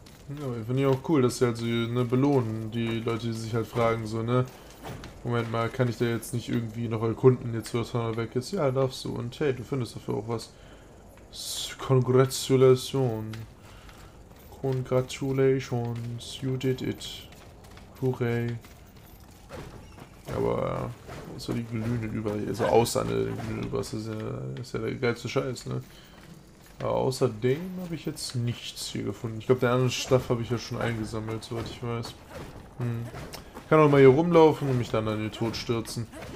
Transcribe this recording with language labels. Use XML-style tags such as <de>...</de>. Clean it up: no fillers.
<de>Ja, finde ich auch cool, dass sie halt so ne, belohnen, die Leute, die sich halt fragen, so, ne, Moment mal, kann ich da jetzt nicht irgendwie noch erkunden, jetzt wo das Tunnel weg ist? Ja, darfst du. Und hey, du findest dafür auch was.</de> <en>Congratulations, you did it. Hooray.</en> <de>Aber, so die glühenden Überreste, also außer an den glühenden Überreste, ist ja der geilste Scheiß, ne. Aber außerdem habe ich jetzt nichts hier gefunden. Ich glaube, den anderen Stuff habe ich ja schon eingesammelt, soweit ich weiß. Ich kann auch mal hier rumlaufen und mich dann in den Tod stürzen.</de>